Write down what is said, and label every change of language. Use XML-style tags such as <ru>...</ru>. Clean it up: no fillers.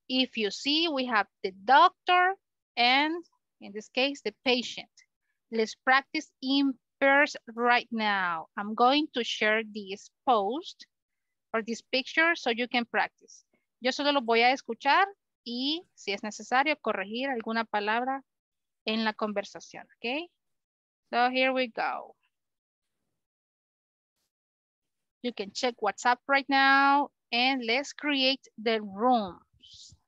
<en>If you see, we have the doctor and, in this case, the patient. Let's practice in pairs right now. I'm going to share this post or this picture so you can practice.</en> <es>Yo solo lo voy a escuchar. Y si es necesario, corregir alguna palabra en la conversación, okay?</es> <en>So here we go. You can check WhatsApp right now and let's create the rooms.</en>